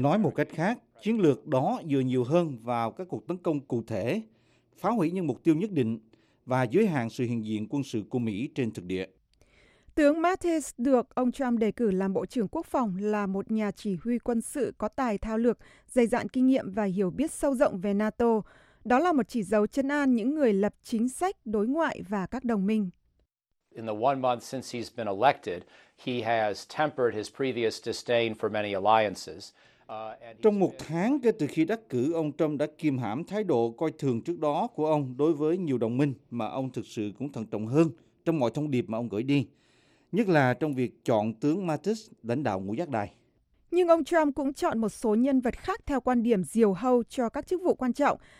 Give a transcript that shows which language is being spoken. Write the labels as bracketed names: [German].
[Vietnamese] Nói một cách khác, chiến lược đó dựa nhiều hơn vào các cuộc tấn công cụ thể, phá hủy những mục tiêu nhất định và giới hạn sự hiện diện quân sự của Mỹ trên thực địa. Tướng Mattis được ông Trump đề cử làm Bộ trưởng Quốc phòng là một nhà chỉ huy quân sự có tài thao lược, dày dạn kinh nghiệm và hiểu biết sâu rộng về NATO. Đó là một chỉ dấu trấn an những người lập chính sách đối ngoại và các đồng minh. [English] In the one month since he's been elected, he has tempered his previous disdain for many alliances. [Vietnamese] Trong một tháng kể từ khi đắc cử, ông Trump đã kiềm hãm thái độ coi thường trước đó của ông đối với nhiều đồng minh mà ông thực sự cũng thận trọng hơn trong mọi thông điệp mà ông gửi đi, nhất là trong việc chọn tướng Mattis lãnh đạo ngũ giác đài. Nhưng ông Trump cũng chọn một số nhân vật khác theo quan điểm diều hâu cho các chức vụ quan trọng.